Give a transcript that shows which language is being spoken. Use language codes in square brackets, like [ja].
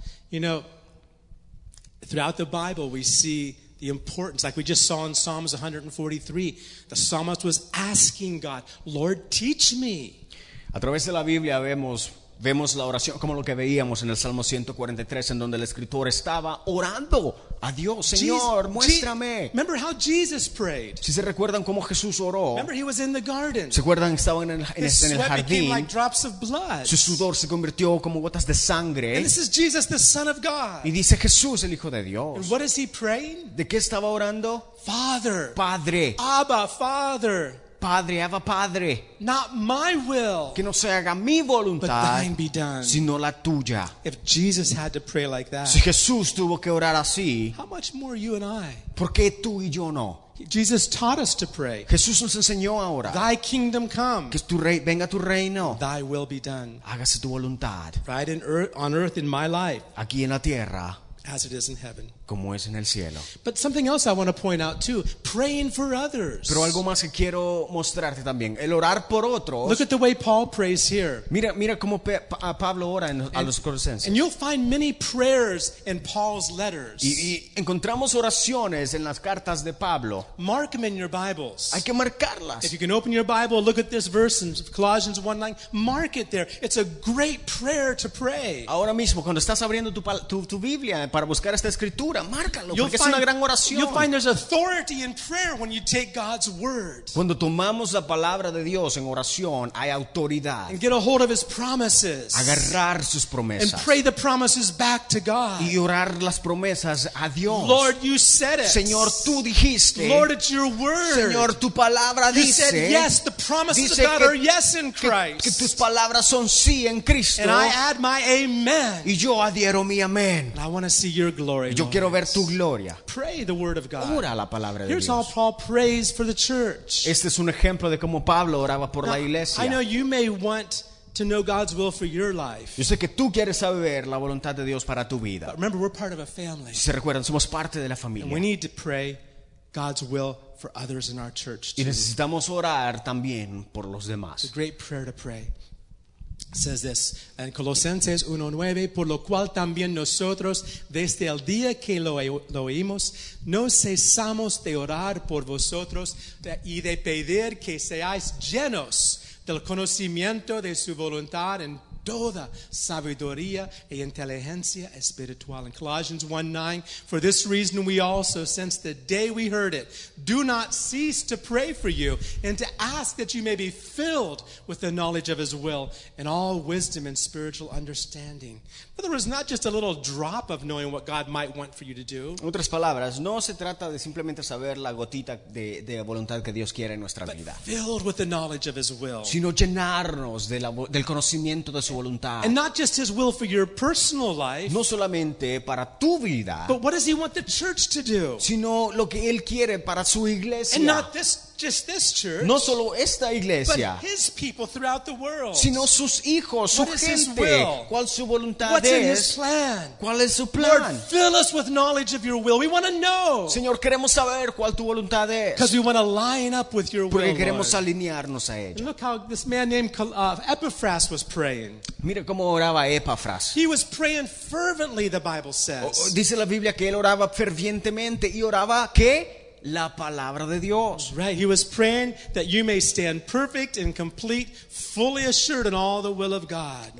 [en] You know, throughout the Bible we see the importance, like we just saw in Psalms 143, the psalmist was asking God, "Lord, teach me." [es] A través de la Biblia vemos la oración como lo que veíamos en el Salmo 143, en donde el escritor estaba orando a Dios. Señor, muéstrame. [en] Remember how Jesus prayed. [es] Si se recuerdan cómo Jesús oró. [en] Remember he was in the garden. [es] Se acuerdan, estaba en el jardín. [en] Like drops of blood. [es] Su sudor se convirtió como gotas de sangre. [en] And this is Jesus, the Son of God. [es] Y dice Jesús, el Hijo de Dios. [en] And what is he praying? [es] ¿De qué estaba orando? [en] Father. [es] Padre. [en] Abba, Father. [es] Padre, Abba, Padre. [en] Not my will, [es] que no se haga mi voluntad, [en] but thine be done, [es] sino la tuya. [en] If Jesus had to pray like that, [es] si Jesús tuvo que orar así, [en] how much more you and I? [es] ¿Por qué tú y yo no? [en] Jesus taught us to pray. [es] Jesús nos enseñó a orar. [en] Thy kingdom come. [es] Que tu rey, venga tu reino. [en] Thy will be done. [es] Hágase tu voluntad. [en] Right on earth in my life. [es] Aquí en la tierra. [en] As it is in heaven. [es] Como es en el cielo. [en] But something else I want to point out too. Praying for others. [es] Pero algo más que quiero mostrarte también. El orar por otros. [en] Look at the way Paul prays here. [es] Mira cómo Pablo ora a los Colosenses. [en] And you'll find many prayers in Paul's letters. [es] Y encontramos oraciones en las cartas de Pablo. [en] Mark them in your Bibles. [es] Hay que marcarlas. [en] If you can open your Bible, look at this verse in Colossians 1:9. Mark it there. It's a great prayer to pray. [es] Ahora mismo, cuando estás abriendo tu Biblia para buscar esta escritura, escritura, márcalo, porque es una gran oración. [en] You'll find there's authority in prayer when you take God's word. [es] Cuando tomamos la palabra de Dios en oración, hay autoridad. [en] And get a hold of his promises. [es] Agarrar sus promesas. [en] And pray the promises back to God. [es] Y orar las promesas a Dios. [en] Lord, you said it. [es] Señor, tú dijiste. [en] Lord, it's your word. [es] Señor, tu palabra dice. [en] You said yes, the promises of God are yes in Christ. [es] Que tus palabras son sí en Cristo. [en] And I add my amen. [es] Y yo adhiero mi amén. [en] I want to see your glory. [es] Yo quiero ver tu gloria. [en] Pray the word of God. [es] Ora la palabra de [en] Dios. Here's how Paul prays for the church. [es] Este es un ejemplo de cómo Pablo oraba por la iglesia. [en] I know you may want to know God's will for your life. [es] Yo sé que tú quieres saber la voluntad de Dios para tu vida. [en] But remember, we're part of a family. [es] Si se recuerdan, somos parte de la familia. [en] And we need to pray God's will for others in our church too. [es] Y necesitamos orar también por los demás. [en] It's a great prayer to pray. Says this in [es] Colosenses 1:9, por lo cual también nosotros desde el día que lo oímos no cesamos de orar por vosotros y de pedir que seáis llenos del conocimiento de su voluntad en toda sabiduría e inteligencia espiritual. [en] In Colossians 1:9, for this reason we also, since the day we heard it, do not cease to pray for you and to ask that you may be filled with the knowledge of his will and all wisdom and spiritual understanding. In other words, not just a little drop of knowing what God might want for you to do. [es] En otras palabras, no se trata de simplemente saber la gotita de voluntad que Dios quiere en nuestra vida. [en] But filled with the knowledge of his will. [es] Sino llenarnos del conocimiento de su voluntad. [en] And not just his will for your personal life. [es] No solamente para tu vida. [en] But what does he want the church to do? [es] Sino lo que él quiere para su iglesia. [en] And not just this church. [es] No solo esta iglesia. [en] But his people throughout the world. [es] Sino sus hijos, su [en] what [es] gente. ¿Cuál su voluntad [en] What's [es] es? [en] In his plan? [es] ¿Cuál es su plan? [en] Lord, fill us with knowledge of your will. We want to know. [es] Señor, queremos saber cuál tu voluntad es. [en] Because we want to line up with your [es] Porque [en] will. [es] Porque queremos [en] Lord. [es] Alinearnos a ella. [en] Look how this man named Epaphras was praying. [es] Mira cómo oraba Epafras. [en] He was praying fervently, the Bible says. [es] Dice la Biblia que él oraba fervientemente y oraba ¿qué? La palabra de Dios. [en] Right. He was praying that you may stand perfect and complete, fully assured in all the will of God.